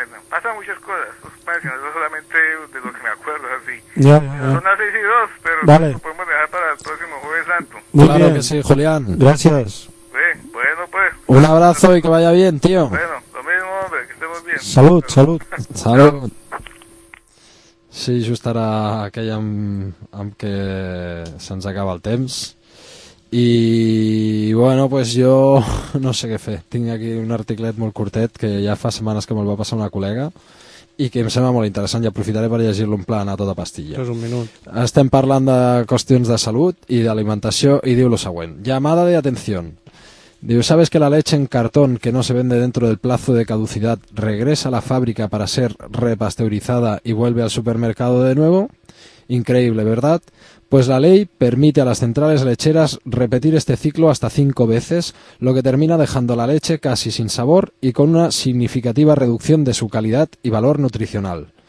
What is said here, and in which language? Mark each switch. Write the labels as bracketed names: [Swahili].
[Spanish] Pasan muchas cosas, no solamente de lo que me acuerdo, así. Son las 6 y 2, pero vale, lo podemos dejar para el próximo Jueves Santo. Muy claro bien, que sí, Julián. Gracias. Sí, bueno, pues. Un abrazo y que vaya bien, tío. Bueno, lo mismo, hombre, que estemos bien. Salud, salud. Salud. [Catalan] Sí, just ara aquell amb que se'ns acaba el temps. I, bueno, pues jo no sé què fer. Tinc aquí un articlet molt curtet que ja fa setmanes que me'l va passar una col·lega i que em sembla molt interessant i aprofitaré per llegir-lo en plan a tota pastilla. És un minut. Estem parlant de qüestions de salut i d'alimentació i diu lo següent. [Spanish] Llamada de atención. [Catalan] Diu, [Spanish] ¿sabes que la leche en cartón que no se vende dentro del plazo de caducidad regresa a la fábrica para ser repasteurizada y vuelve al supermercado de nuevo? Increíble, ¿verdad? Pues la ley permite a las centrales lecheras repetir este ciclo hasta 5 veces, lo que termina dejando la leche casi sin sabor y con una significativa reducción de su calidad y valor nutricional.